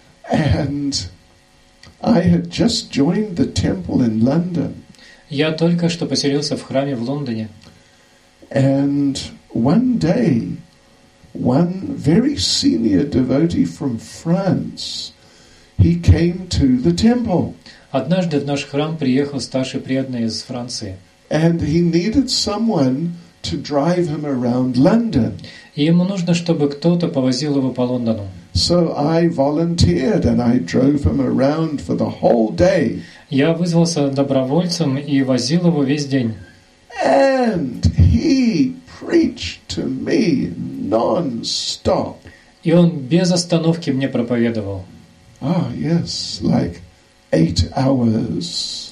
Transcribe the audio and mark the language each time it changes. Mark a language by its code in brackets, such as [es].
[en] And I had just joined the temple in London. [ru] Я только что поселился в храме в Лондоне. [en] And one day, one very senior devotee from France, he came to the temple. [ru] Однажды в наш храм приехал старший преданный из Франции. [en] And he needed someone to drive him around London. [ru] И ему нужно, чтобы кто-то повозил его по Лондону. [en] So I volunteered and I drove him around for the whole day. [ru] Я вызвался добровольцем и возил его весь день. [en] And he preached to me non-stop. [ru] И он без остановки мне проповедовал. [en] Oh, yes, like 8 hours.